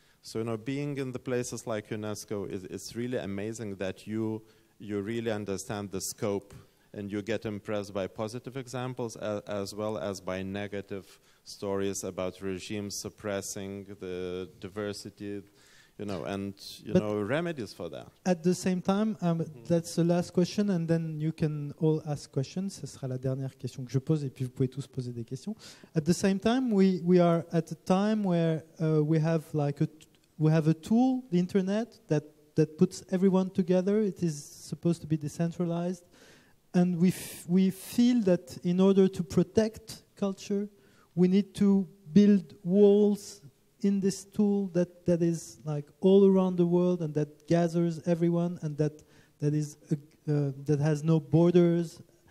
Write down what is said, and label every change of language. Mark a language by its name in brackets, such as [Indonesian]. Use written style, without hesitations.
[English] So, you know, being in the places like UNESCO, it's really amazing that you really understand the scope and you get impressed by positive examples as well as by negative stories about regimes suppressing the diversity, you know, and remedies for that. At the same time, that's the last question, and then you can all ask questions. [French] Ce sera la dernière question que je pose, et puis vous pouvez tous poser des questions. [English] At the same time, we are at a time where we have a tool, the internet, that puts everyone together. It is supposed to be decentralized, and we feel that in order to protect culture, we need to build walls in this tool that is like all around the world and that gathers everyone and that has no borders.